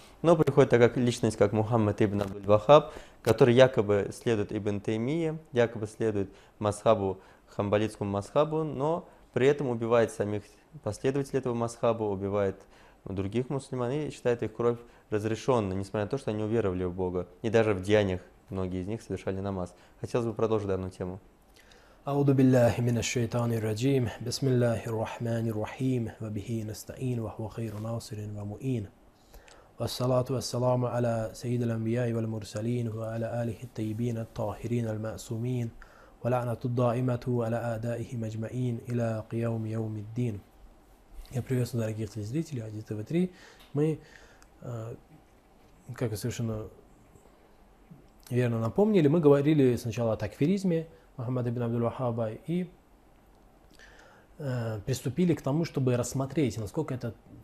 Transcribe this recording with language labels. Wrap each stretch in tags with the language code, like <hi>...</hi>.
<ru>Но приходит такая личность, как Мухаммад ибн Абдул-Вахаб, который якобы следует Ибн Таймии, якобы следует масхабу, хамбалитскому масхабу, но при этом убивает самих последователей этого масхаба, убивает других мусульман и считает их кровь разрешенной, несмотря на то, что они уверовали в Бога. И даже в деяниях многие из них совершали намаз. Хотелось бы продолжить данную тему.</ru> <ar>أعوذ بالله من الشيطان الرجيم بسم الله الرحمن الرحيم وبه نستعين وهو خير ناصر ومؤين والصلاة والسلام على سيد الأنبياء والمرسلين وعلى آله الطيبين الطاهرين المعصومين ولعنة الدائمة على أعدائه مجمعين إلى قيام يوم الدين.</ar> <ru>Я приветствую дорогих зрителей Хади ТВ 3. Мы, как совершенно верно напомнили, мы говорили сначала о такфиризме Мухаммада ибн Абдул-Вахаба и приступили к тому, чтобы рассмотреть, насколько это</ru>